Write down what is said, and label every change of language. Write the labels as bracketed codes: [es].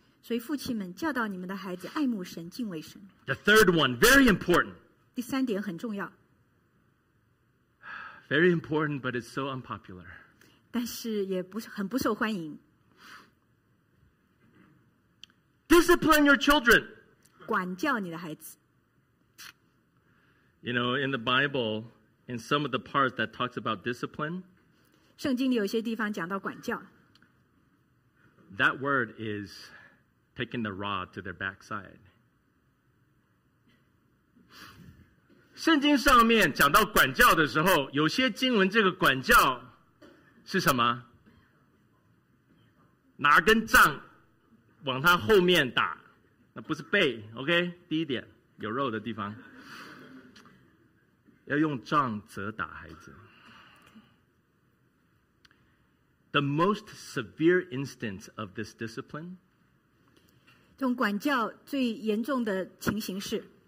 [zh] 所以父亲们教导你们的孩子爱慕神敬畏神。 [en] The third one, very important. [zh] 第三点很重要。 [en] Very important, but it's so unpopular. [zh] 但是也不是很不受欢迎。 [en] Discipline your children. [zh] 管教你的孩子。 [en] You know, in the Bible, in some of the parts that talks about discipline, [zh] 圣经里有些地方讲到管教。 [en] That word is taking the rod to their backside. [zh] 圣经上面讲到管教的时候，有些经文这个管教是什么？拿根杖往他后面打，那不是背。 OK， 第一点，有肉的地方要用杖责打孩子。 [en] The most severe instance of this discipline. [zh] 这种管教最严重的情形是